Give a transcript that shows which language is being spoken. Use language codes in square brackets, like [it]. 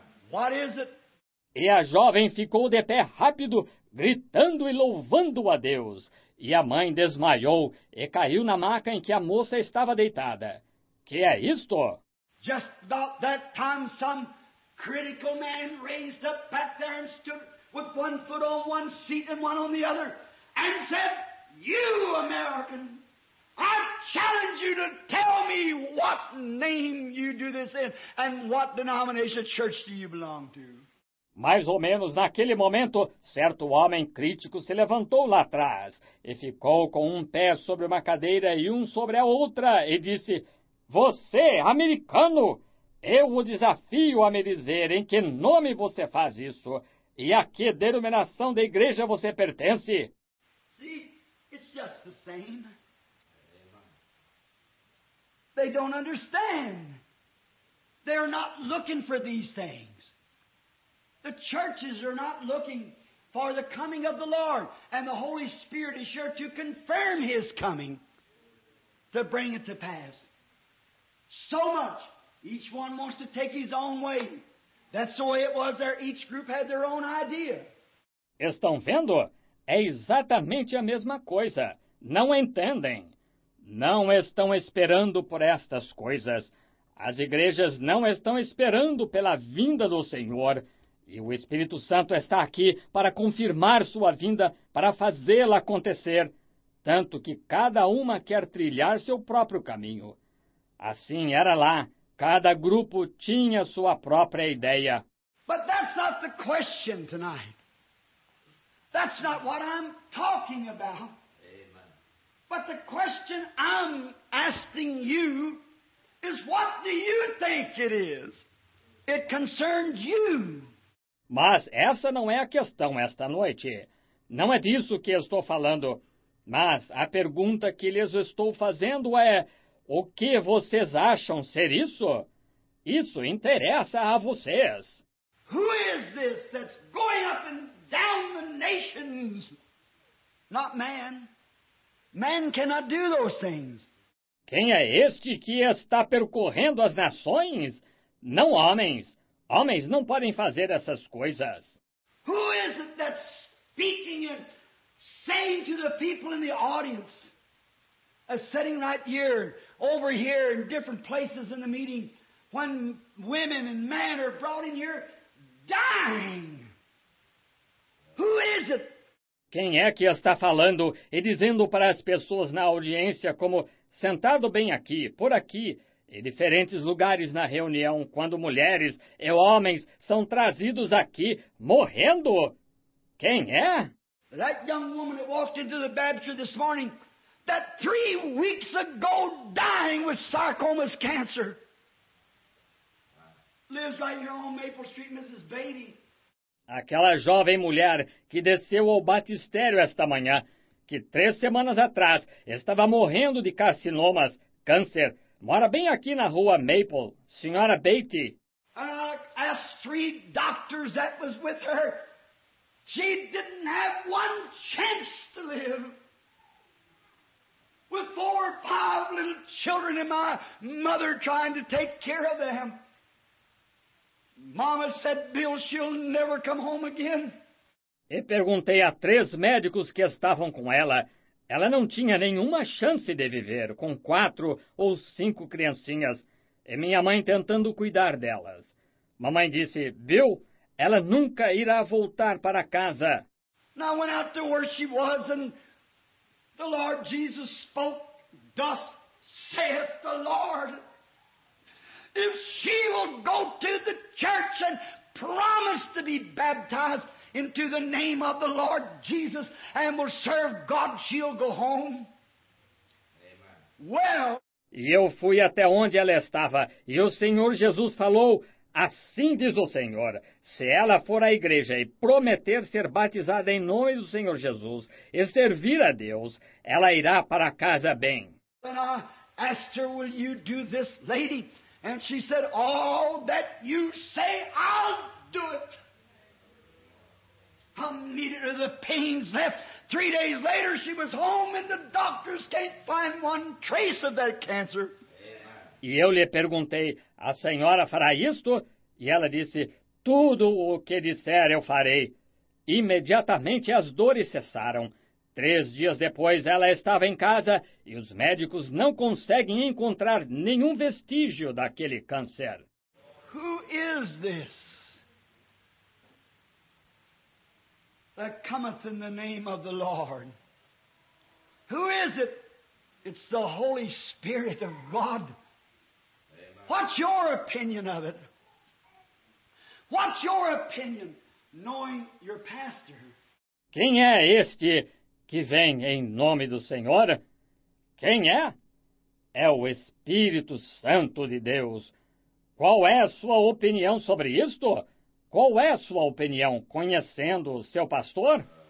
[en] What is it? [pt] E a jovem ficou de pé rápido, gritando e louvando a Deus. E a mãe desmaiou e caiu na maca em que a moça estava deitada. Que é isto? [en] Just about that time, some critical man raised up back there and stood with one foot on one seat and one on the other and said, you, American, I challenge you to tell me what name you do this in and what denomination church do you belong to. [pt] Mais ou menos naquele momento, certo homem crítico se levantou lá atrás e ficou com um pé sobre uma cadeira e um sobre a outra e disse, você, americano, eu o desafio a me dizer em que nome você faz isso e a que denominação da igreja você pertence. [en] See, it's just the same. They don't understand. They're not looking for these things. The churches are not looking for the coming of the Lord. And the Holy Spirit is sure to confirm His coming to bring it to pass. So much. Each one wants to take his own way. That's the way it was there. Each group had their own idea. [pt] Estão vendo? É exatamente a mesma coisa. Não entendem. Não estão esperando por estas coisas. As igrejas não estão esperando pela vinda do Senhor. E o Espírito Santo está aqui para confirmar sua vinda, para fazê-la acontecer. Tanto que cada uma quer trilhar seu próprio caminho. Assim era lá. Cada grupo tinha sua própria ideia. [en] But that's not the question tonight. That's not what I'm talking about. But the question I'm asking you is, what do you think it is? It concerns you. [pt] Mas essa não é a questão esta noite. Não é disso que estou falando. Mas a pergunta que lhes estou fazendo é, o que vocês acham ser isso? Isso interessa a vocês. [en] Who is this that's going up and down the nations? Not man. Man cannot do those things. [pt] Quem é este que está percorrendo as nações? Não homens. Homens não podem fazer essas coisas. [en] Who is it that's speaking and saying to the people in the audience, as sitting right here, over here, in different places in the meeting, when women and men are brought in here dying? Who is it? [pt] Quem é que está falando e dizendo para as pessoas na audiência, como sentado bem aqui, por aqui, em diferentes lugares na reunião, quando mulheres e homens são trazidos aqui morrendo? Quem é? [en] That young woman that walked into the baptistry this morning, that 3 weeks ago dying with sarcoma's cancer, lives right here on Maple Street, Mrs. Beatty. [pt] Aquela jovem mulher que desceu ao batistério esta manhã, que 3 semanas atrás estava morrendo de carcinomas, câncer, mora bem aqui na rua Maple, senhora Beatty. [en] Asked 3 doctors that was with her. She didn't have one chance to live. With 4 or 5 little children and my mother trying to take care of them. Mama said, Bill, she'll never come home again. [pt] E perguntei a 3 médicos que estavam com ela. Ela não tinha nenhuma chance de viver com 4 ou 5 criancinhas. E minha mãe tentando cuidar delas. Mamãe disse, Bill, ela nunca irá voltar para casa. [en] Now I went out to where she was and the Lord Jesus spoke, thus saith the Lord. If she will go to the church and promise to be baptized into the name of the Lord Jesus and will serve God, she'll go home. Amen. Well. [pt] E eu fui até onde ela estava, e o Senhor Jesus falou, assim diz o Senhor, se ela for à igreja e prometer ser batizada em nome do Senhor Jesus e servir a Deus, ela irá para casa bem. [en] And I asked her, will you do this, lady? And she said, all that you say, I'll do it. How needed are the pains left? 3 days later, she was home and the doctors can't find one trace of that cancer. [pt] E eu lhe perguntei, a senhora fará isto? E ela disse, tudo o que disser eu farei. Imediatamente as dores cessaram. 3 dias depois ela estava em casa e os médicos não conseguem encontrar nenhum vestígio daquele câncer. [en] Who is this that cometh in the name of the Lord? Who is it? It's the Holy Spirit of God. What's your opinion of it? What's your opinion, knowing your pastor? [pt] Quem é este que vem em nome do Senhor? Quem é? É o Espírito Santo de Deus. Qual é a sua opinião sobre isto? Qual é a sua opinião, conhecendo o seu pastor?